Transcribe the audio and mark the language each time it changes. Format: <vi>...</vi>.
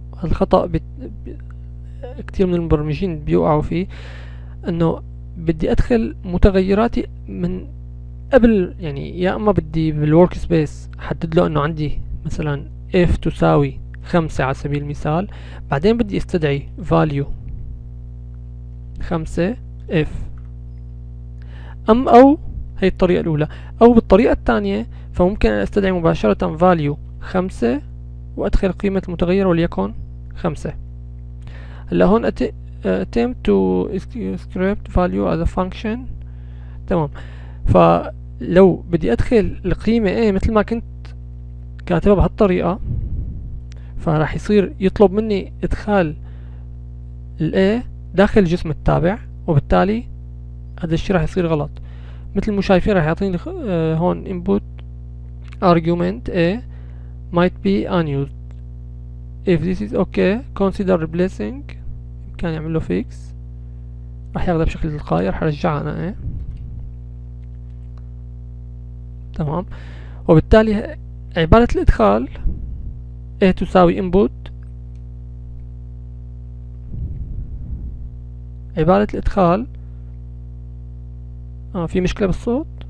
<ar>الخطأ كتير من المبرمجين بيوقعوا فيه، انه بدي ادخل متغيراتي من قبل، يعني يا اما بدي بالورك سبيس احدد له انه عندي مثلا اف تساوي 5 على سبيل المثال، بعدين بدي استدعي فاليو 5 اف، ام او هي الطريقة الأولى. أو بالطريقة الثانية فممكن أن أستدعي مباشرة value 5 وأدخل قيمة المتغير وليكن 5. هلا هون</ar> <en>attempt to script value as a function.</en> <ar>تمام، فلو بدي أدخل القيمة ايه مثل ما كنت كاتبها بهالطريقة، فراح يصير يطلب مني إدخال الـ a داخل جسم التابع، وبالتالي هذا الشي راح يصير غلط. مثل ما شايفين راح يعطيني هون</ar> <en>input argument a might be unused. If this is okay consider replacing.</en> <ar>كان يعمل له fix، راح ياخذها بشكل تلقائي، راح ارجعها انا a. تمام، وبالتالي عبارة الادخال a تساوي input، عبارة الادخال في مشكلة بالصوت.</ar>